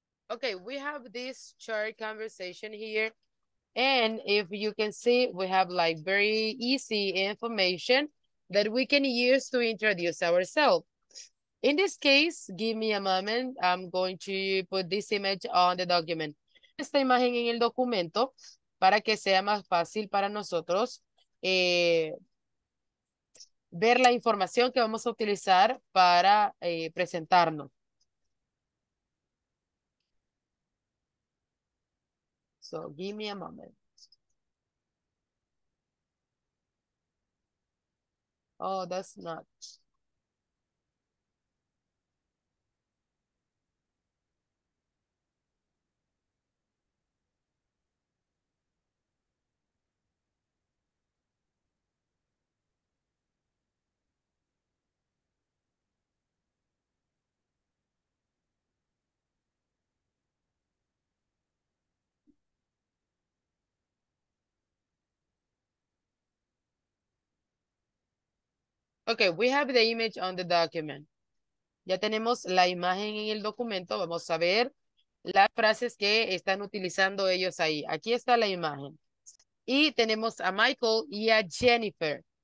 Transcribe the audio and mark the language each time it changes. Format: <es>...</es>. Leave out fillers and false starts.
<en>Okay, we have this short conversation here. And if you can see, we have like very easy information that we can use to introduce ourselves. In this case, give me a moment. I'm going to put this image on the document.</en> <es>Esta imagen en el documento para que sea más fácil para nosotros ver la información que vamos a utilizar para presentarnos.</es> <en>So give me a moment. Oh, that's not. Okay, we have the image on the document.</en> <es>Ya tenemos la imagen en el documento. Vamos a ver las frases que están utilizando ellos ahí. Aquí está la imagen. Y tenemos a Michael y a Jennifer.</es>